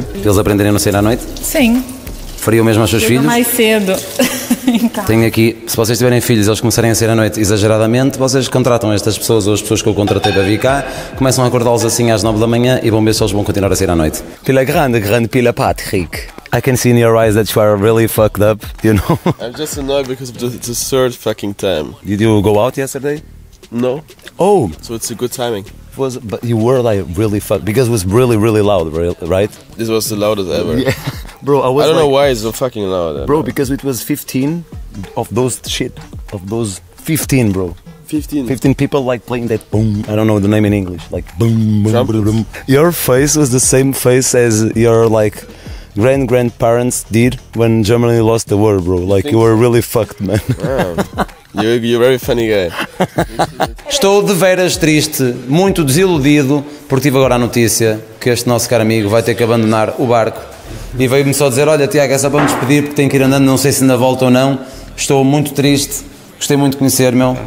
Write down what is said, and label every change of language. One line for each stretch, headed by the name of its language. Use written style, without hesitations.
Portuguese: Eles aprenderem a não sair à noite? Sim. Faria o mesmo aos seus filhos? Mais cedo. Tenho aqui, se vocês tiverem filhos e eles começarem a sair à noite exageradamente, vocês contratam estas pessoas ou as pessoas que eu contratei para vir cá, começam a acordá-los assim às 9 da manhã e vão ver se eles vão continuar a sair à noite. Pila grande, grande pila, Patrick.
English: I can see in your eyes that you are really fucked up, you know? I'm just annoyed because of the third fucking time. Did you go out yesterday? No. Oh! So it's a good timing. Was, but you were like really fucked, because it was really, really loud, right? This was the loudest ever. Yeah. Bro, I don't like, know why it's so fucking loud. Bro, because it was 15 of those shit. Of those 15, bro. 15? 15 people like playing that boom. I don't know the name in English. Like boom, boom, boom, boom. Your face was the same face as your like grandparents did when Germany lost the war, bro. Like you were really fucked, man. Wow. You're a very funny guy.
Portuguese: Estou de veras triste, muito desiludido, porque tive agora a notícia que este nosso caro amigo vai ter que abandonar o barco. E veio-me só dizer, olha Tiago, é só para me despedir porque tenho que ir andando, não sei se ainda volto ou não. Estou muito triste, gostei muito de conhecer, meu.